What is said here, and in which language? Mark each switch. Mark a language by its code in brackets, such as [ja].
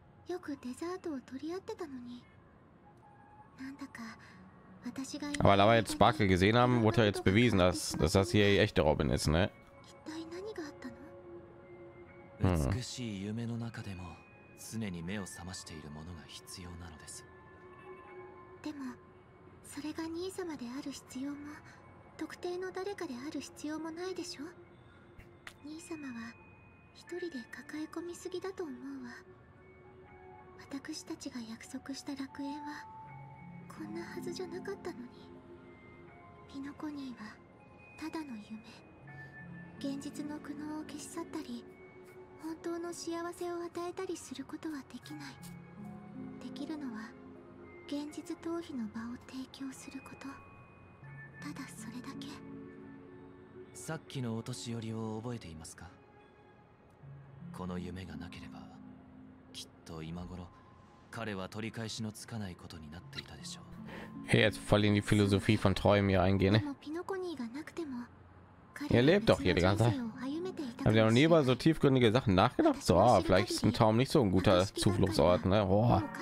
[ja] よくデザートを取り合ってたのに、なんだか私が。 [de] Aber da wir jetzt Sparkle gesehen haben, wurde jetzt bewiesen, dass das hier echte Robin ist, ne? [ja] 一体何があったの？美しい夢の中でも常に目を覚ましているものが必要なのです。でもそれが兄様である必要も特定の誰かである必要もないでしょ？兄様は一人で抱え込みすぎだと思うわ。私たちが約束した楽園はこんなはずじゃなかったのに。ピノコニーはただの夢、現実の苦悩を消し去ったり本当の幸せを与えたりすることはできない。できるのは現実逃避の場を提供すること、ただそれだけ。さっきのお年寄りを覚えていますか？この夢がなければきっと今頃彼は取り返しのつかないことになっていたでしょう。 [de] Hey, jetzt voll in die Philosophie von Träumen eingehen, ne? [ja] ピノコニーがなくても、彼は人生を歩めていたかもしれない。 [de] Haben Sie noch nie über so tiefgründige Sachen nachgedacht? So, vielleicht ist ein Traum nicht so ein guter Zufluchtsort, ne? Oh.